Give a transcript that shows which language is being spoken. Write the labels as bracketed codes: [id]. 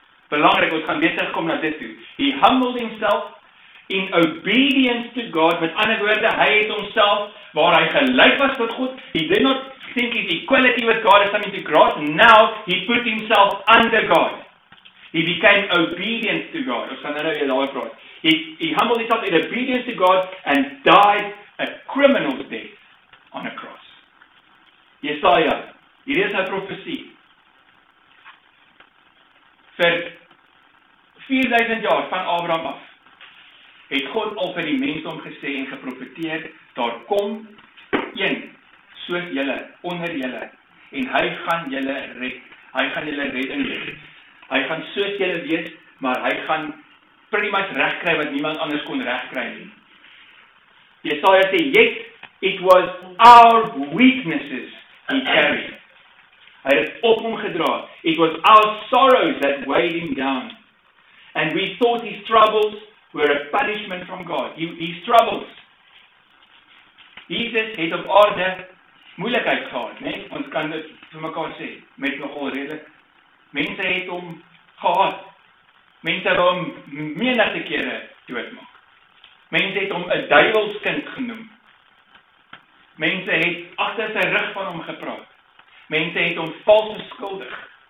[af] Belangrijk, ons gaan beter kom na dit toe. [en] He humbled himself in obedience to God. [af] Met ander woorde, hy het homself, waar hy gelijk was tot God, [en] he did not think his equality with God is something to grasp. Now, he put himself under God. He became obedient to God. [af] Ons gaan nou weer daar praat. [en] He humbled himself in obedience to God and died a criminal's death on a cross. [af] Jesaja, hier is sy profesie. Vir 4000 jaar van Abraham af, het God al vir die mensdom gesê en geprofeteer, daar kom een, soos julle, onder julle, en hy gaan julle red, hy gaan julle redding wees. Hy gaan soos julle wees, maar hy gaan pretty much recht kry wat niemand anders kon recht kry nie. [en] Jesaja sê, yet it was our weaknesses he carried. [af] Hy het op hom gedra. [en] It was our sorrows that weighed him down. And we thought his troubles were a punishment from God. His troubles. [af] Jesus het op aarde moeilikheid gehad, nee? Ons kan dit vir mekaar sê, met nogal redelik. Mense het hom gehad. Mense wou hom menige kere doodmaak. Mense het hom 'n duiwelskind genoem. Mense het agter sy rug van hom gepraat. Mense het hom vals beskuldig.